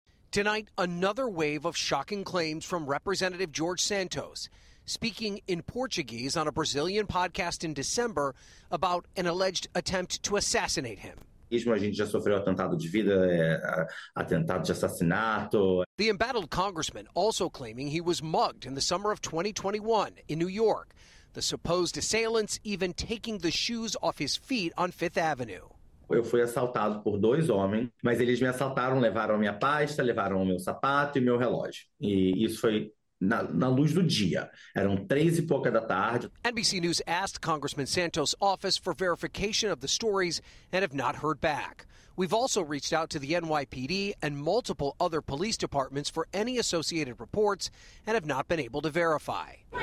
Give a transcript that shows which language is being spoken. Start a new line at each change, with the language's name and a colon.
English: Tonight, another wave of shocking claims from Representative George Santos, speaking in Portuguese on a Brazilian podcast in December about an alleged attempt to assassinate him. The embattled congressman also claiming he was mugged in the summer of 2021 in New York, the supposed assailants even taking the shoes off his feet on Fifth Avenue.
Portuguese: Eu fui assaltado por dois homens, mas eles me assaltaram, levaram minha pasta, levaram meu sapato e meu relógio. E isso foi na luz do dia. Eram 3:00 PM.
English: NBC News asked Congressman Santos' office for verification of the stories and have not heard back. We've also reached out to the NYPD and multiple other police departments for any associated reports and have not been able to verify.